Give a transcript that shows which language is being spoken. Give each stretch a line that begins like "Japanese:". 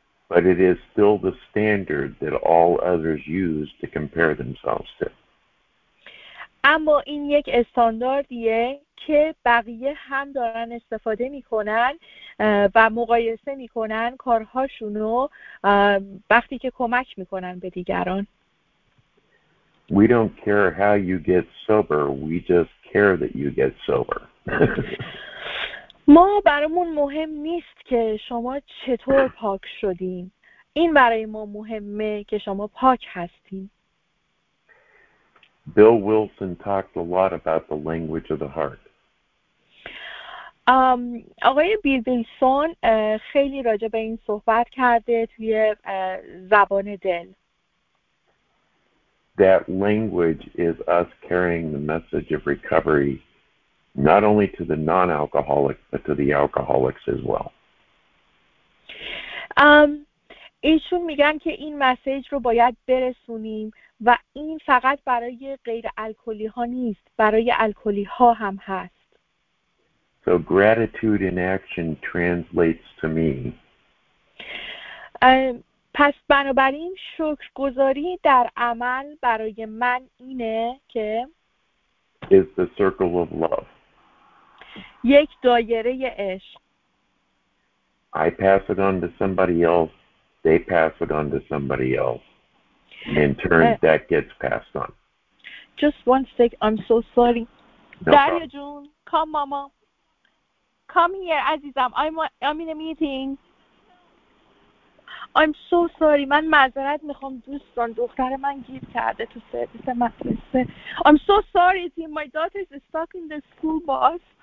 English: But it is still the standard that all others use to compare themselves to.
Persian: اما این یک استانداردیه که بقیه هم دارن استفاده میکنن و مقایسه میکنن کارهاشونو وقتی که کمک میکنن به دیگران.
English: We don't care how you get sober, we just care that you get sober.
Persian: ما برامون مهم نیست که شما چطور پاک شدین. این برای ما مهمه که شما پاک هستین.
English: Bill Wilson talked a lot about the language of the heart.
Persian: آقای بیل ویلسون خیلی راجع به این صحبت کرده توی زبان دل.
English: That language is us carrying the message of recovery not only to the non-alcoholic but to the alcoholics as well.
Persian: ایشون میگن که این مسیج رو باید برسونیم و این فقط برای غیر الکلی ها نیست، برای الکلی ها هم هست.
English: So gratitude in action translates to me.
Persian: پس بنابراین شکرگزاری در عمل برای من اینه که
English: is the circle of love.
Persian: یک دایره عشق.
English: I pass it on to somebody else. They pass it on to somebody else. In turn, that gets passed on. Just one sec. I'm so sorry. No Daria problem. Jun, come, Mama. Come here, Azizam. I'm in a meeting. I'm so sorry.
Persian: من معذرت میخوام دوستان. دختر من گیر کرده تو سرویس مدرسه.
English: I'm so sorry, team. My daughter is stuck in the school bus.